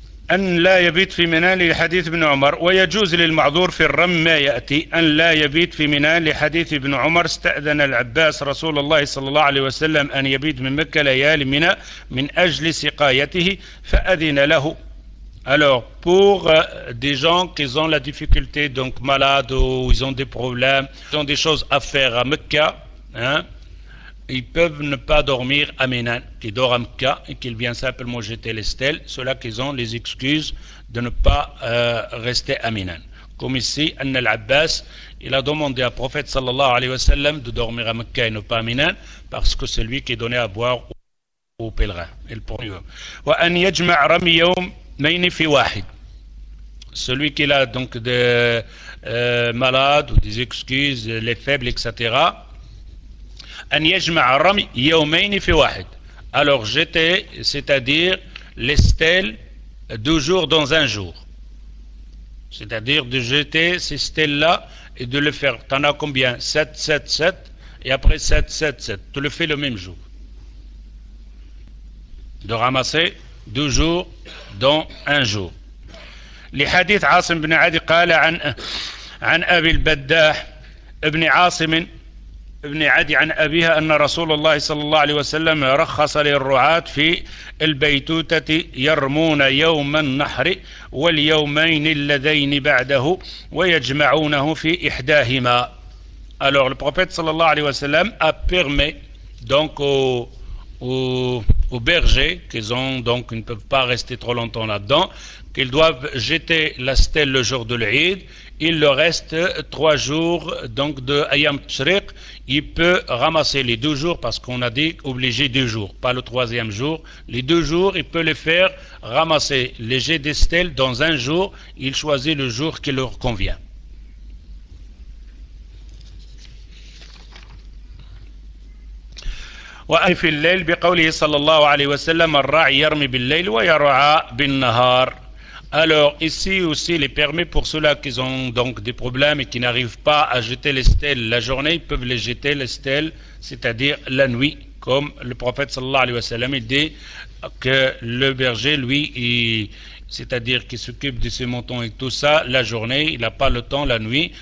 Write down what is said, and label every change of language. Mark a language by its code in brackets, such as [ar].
[ar] أن لا يبيت في منى لحديث ابن عمر ويجوز للمعذور في الرم ما يأتي أن لا يبيت في منى لحديث ابن عمر استأذن العباس رسول الله صلى الله عليه وسلم أن يبيت من مكة ليالي منى من أجل سقايته فأذن له. [fr] Alors pour des gens qui ont la difficulté donc malades ou ils ont des problèmes, ils ont des choses à faire à Mecca, hein, ils peuvent ne pas dormir à Mina, qui dort à Mecca et qu'il vient simplement jeter les stèles, cela qu'ils ont les excuses de ne pas rester à Mina. Comme ici, An al-Abbas, il a demandé à prophète sallallahu alayhi wa sallam de dormir à Mecca et ne pas à Mina, parce que c'est lui qui donnait à boire aux pèlerins. Et le premier. [ar] Wa an yajma' rami yawm mayn fi wahid. [fr] Celui qui a donc des malades ou des excuses, les faibles, etc. [ar] أن يجمع الرمي يومين في واحد. [fr] Alors jeter, c'est-à-dire les stèles deux jours dans un jour. C'est-à-dire de jeter ces stèles-là et de le faire. T'en as combien? 7, 7, 7 et après 7, 7, 7. Tu le fais le même jour. De ramasser deux jours dans un jour. Les hadiths [ar] Asim ibn Adi qala an Abi al-Baddah ibn Asim ابن عدي عن أبيها أن رسول الله صلى الله عليه وسلم رخص للرعاة في البيتوتة يرمون يوم النحر واليومين اللذين بعده ويجمعونه في إحداهما. [fr] Alors le prophète [ar] صلى الله عليه وسلم [fr] a permis donc aux bergers qu'ils ont donc ils ne peuvent pas rester trop longtemps là-dedans qu'ils doivent jeter la stèle le jour de l'Aïd. Il leur reste trois jours donc de Ayam Tshriq. Il peut ramasser les deux jours parce qu'on a dit obligé deux jours, pas le troisième jour. Les deux jours, il peut les faire ramasser les jets des stèles dans un jour. Il choisit le jour qui leur convient. [ar] وأي في الليل بقوله صلى الله عليه وسلم الراعي يرمي بالليل ويرعى بالنهار. [fr] Alors ici aussi il est permis pour ceux-là qui ont donc des problèmes et qui n'arrivent pas à jeter les stèles la journée, ils peuvent les jeter les stèles, c'est-à-dire la nuit, Comme le prophète sallallahu alayhi wa sallam, il dit que le berger, lui, c'est-à-dire qu'il s'occupe de ses moutons et tout ça, la journée, il n'a pas le temps la nuit.